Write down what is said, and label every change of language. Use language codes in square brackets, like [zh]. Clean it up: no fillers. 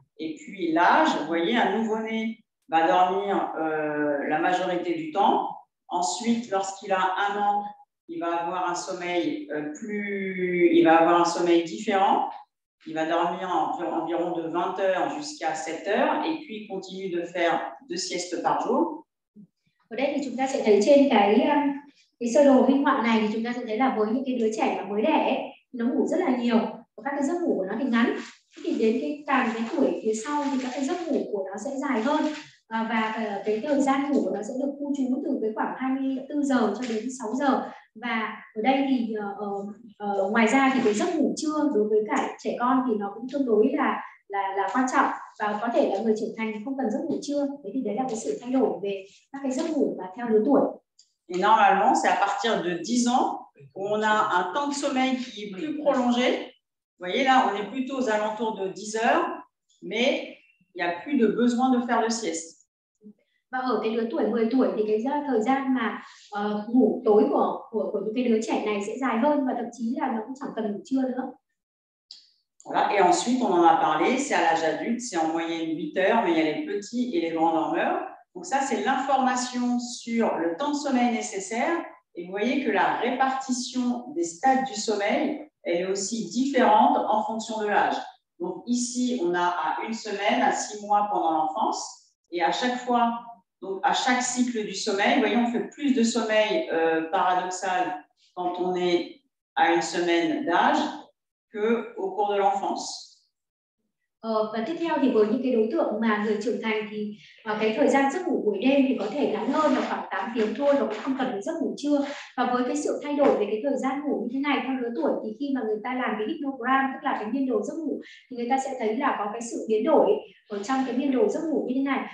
[fr] Et puis l'âge, vous voyez, un nouveau-né va dormir la majorité du temps. Ensuite, lorsqu'il a un an, il va avoir un sommeil il va avoir un sommeil différent. Il va dormir environ de 20 heures jusqu'à 7 heures, et puis il continue de faire 2 siestes par jour. [vi] Ở đây thì chúng ta sẽ thấy trên cái sơ đồ minh họa này thì chúng ta sẽ thấy là với những cái đứa trẻ mà mới đẻ, nó ngủ rất là nhiều, và các cái giấc ngủ của nó thì ngắn. Thì đến cái càng cái tuổi phía sau thì các cái giấc ngủ của nó sẽ dài hơn, và cái thời gian ngủ của nó sẽ được khu trú từ cái khoảng 24 giờ cho đến 6 giờ. Và ở đây thì ngoài ra thì cái giấc ngủ trưa đối với cả trẻ con thì nó cũng tương đối là quan trọng, và có thể là người trưởng thành không cần giấc ngủ trưa. Thế thì đấy là cái sự thay đổi về các cái giấc ngủ và theo lứa tuổi. [fr] Et normalement c'est à partir de 10 ans on a un temps de sommeil qui est plus prolongé. Vous voyez là, on est plutôt aux alentours de 10 heures, mais il n'y a plus de besoin de faire de sieste. [vi] Và ở cái lứa tuổi 10 tuổi thì cái thời gian mà ngủ tối của những cái đứa trẻ này sẽ dài hơn, và thậm chí là nó cũng chẳng cần ngủ trưa nữa. [fr] Voilà, et ensuite on en a parlé, c'est à l'âge adulte, c'est en moyenne 8 heures, mais il y a les petits et les grands dormeurs. Donc ça c'est l'information sur le temps de sommeil nécessaire Et vous voyez que la répartition des stades du sommeil, elle est aussi différente en fonction de l'âge. Donc ici, on a à une semaine, à six mois pendant l'enfance. Et à chaque fois, donc à chaque cycle du sommeil, voyons, on fait plus de sommeil paradoxal quand on est à une semaine d'âge qu'au cours de l'enfance. [vi] Và tiếp theo thì với những cái đối tượng mà người trưởng thành thì cái thời gian giấc ngủ buổi đêm thì có thể ngắn hơn là khoảng 8 tiếng thôi, và cũng không cần giấc ngủ trưa. Và với cái sự thay đổi về cái thời gian ngủ như thế này theo lứa tuổi thì khi mà người ta làm cái hypnogram, tức là cái biên đồ giấc ngủ, thì người ta sẽ thấy là có cái sự biến đổi ở trong cái biên đồ giấc ngủ như thế này.